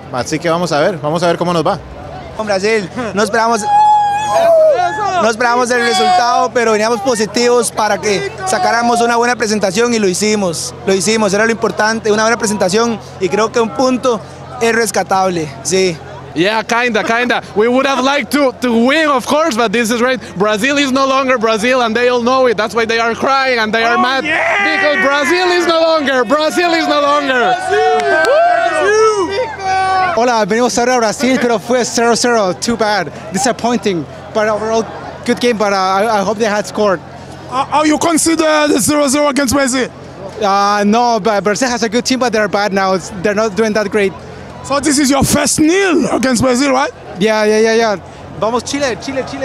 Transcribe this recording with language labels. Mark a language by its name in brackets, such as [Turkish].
[Spanish] Así que vamos a ver cómo nos va. Con Brasil, nos esperamos. No esperábamos el resultado, pero veníamos positivos para que sacáramos una buena presentación y lo hicimos, era lo importante, una buena presentación y creo que un punto es rescatable, sí. [English] Yeah, kinda. We would have liked to win, of course, but this is right. Brazil is no longer Brazil and they all know it. That's why they are crying and they are mad. Yeah! Because Brazil is no longer. Brazil! [Spanish] Hola, venimos ahora a Brasil, pero fue 0-0, [English] too bad, disappointing. But overall, good game, but I hope they had scored. How you consider the 0-0 against Brazil? No, but Brazil has a good team, but they're bad now. They're not doing that great. So this is your first nil against Brazil, right? [Spanish] Yeah. Vamos Chile, Chile, Chile.